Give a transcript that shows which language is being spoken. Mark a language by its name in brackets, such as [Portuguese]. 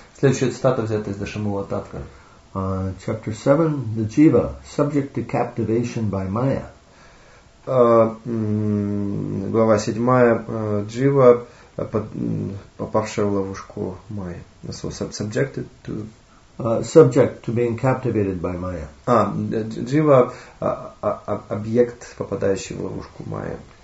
[Russian] Следующая цитата взята из Дашамула Таттвы. [English] Chapter 7, the jiva, subject to captivation by maya. [Russian] Глава 7, jiva, попавшая в ловушку майи. [English] So subjected to... Subject to being captivated by maya. [Russian] Jiva, объект, попадающий в ловушку майи.